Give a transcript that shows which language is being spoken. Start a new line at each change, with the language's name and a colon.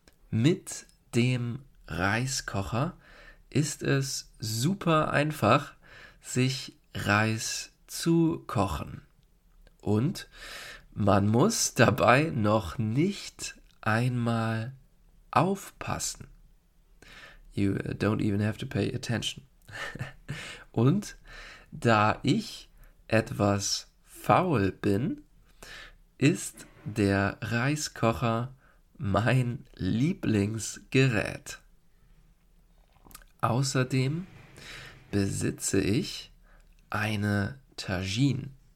German: Mit dem Reiskocher ist es super einfach, sich Reis zu kochen. Und man muss dabei noch nicht einmal aufpassen.
English: You don't even have to pay attention.
German: Und da ich etwas faul bin, ist der Reiskocher mein Lieblingsgerät. Außerdem besitze ich eine Tagine.